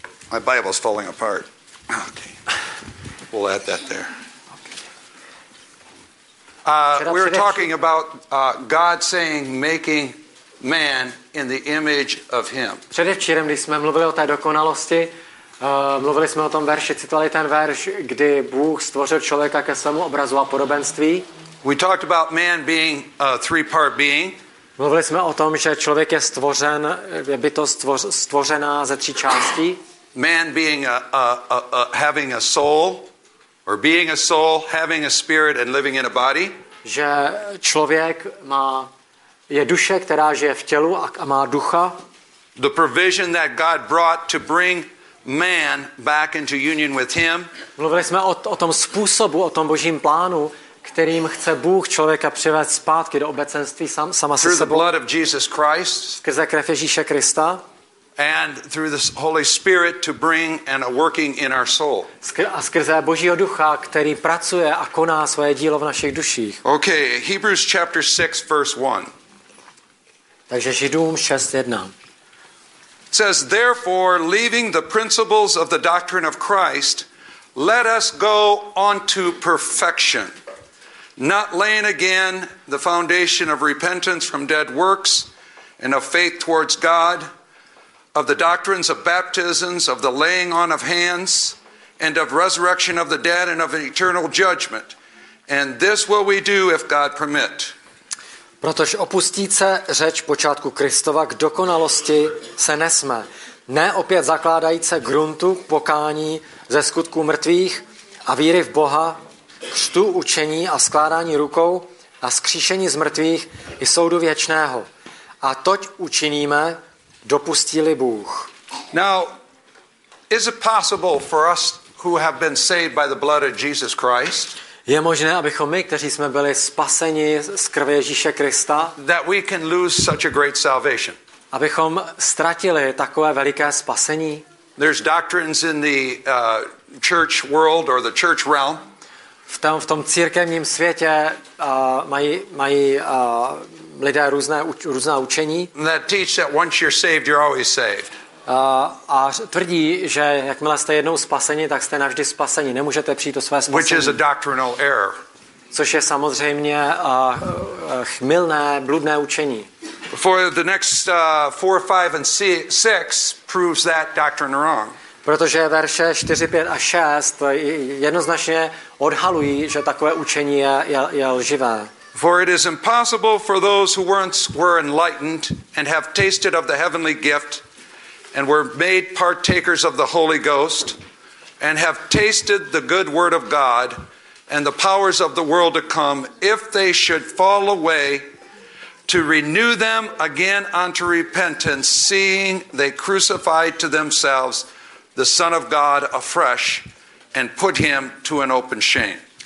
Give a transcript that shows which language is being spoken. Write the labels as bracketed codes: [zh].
[en] My Bible's falling apart. Okay. We'll add that there. We were talking about God saying making man in the image of him. [cs] Předevčírem, když jsme mluvili o té dokonalosti, mluvili jsme o tom verši, citovali ten verš, kdy Bůh stvořil člověka ke svému obrazu a podobenství. [en] We talked about man being a three-part being. [cs] Mluvili jsme o tom, že člověk je stvořen, je bytost stvořená ze tří částí. [en] Man being having a soul. Or being a soul, having a spirit and living in a body. [cs] Že člověk má je duše, která žije v tělu a má ducha. [en] The provision that God brought to bring man back into union with him. [cs] Mluvili jsme o tom způsobu, o tom božím plánu, kterým chce Bůh člověka přivést zpátky do obecenství sama se sebou. [en] Through the blood of Jesus Christ. [cs] Skrze krev Ježíše Krista. [en] And through the Holy Spirit to bring and a working in our soul. [cs] A skrze Božího ducha, který pracuje a koná svoje dílo v našich duších. [en] Okay, Hebrews chapter 6, verse 1. [cs] Takže Židům 6:1. [en] It says, therefore, leaving the principles of the doctrine of Christ, let us go on to perfection, not laying again the foundation of repentance from dead works and of faith towards God, of the doctrines of baptisms, of the laying on of hands, and of resurrection of the dead, and of an eternal judgment. And this will we do if God permit. [cs] Protože opustit se řeč počátku Kristova k dokonalosti se nesme. Ne opět zakládajíc se gruntu pokání ze skutků mrtvých a víry v Boha, křtu učení a skládání rukou a skříšení z mrtvých i soudu věčného. A toť učiníme, dopustili Bůh. [en] Now, is it possible for us who have been saved by the blood of Jesus Christ? [cs] Je možné, abychom my, kteří jsme byli spaseni z krve Ježíše Krista, [en] that we can lose such a great salvation? [cs] Abychom ztratili takové veliké spasení? [en] There's doctrines in the church world or the church realm. [cs] V tom církevním světě mají lidé různá učení. [en] That teach that once you're saved, you're always saved. [cs] A tvrdí, že jakmile jste jednou spaseni, tak jste navždy spaseni. Nemůžete přijít o své spasení. [en] Which is a doctrinal error. [cs] Což je samozřejmě chmilné, bludné učení. [en] For the next 4, 5 and 6 proves that doctrine wrong. [cs] Protože verše 4, 5 a 6 jednoznačně odhalují, že takové učení je lživé. [en] For it is impossible for those who once were enlightened and have tasted of the heavenly gift and were made partakers of the Holy Ghost and have tasted the good word of God and the powers of the world to come, if they should fall away, to renew them again unto repentance, seeing they crucified to themselves the Son of God afresh, and put him to an open shame.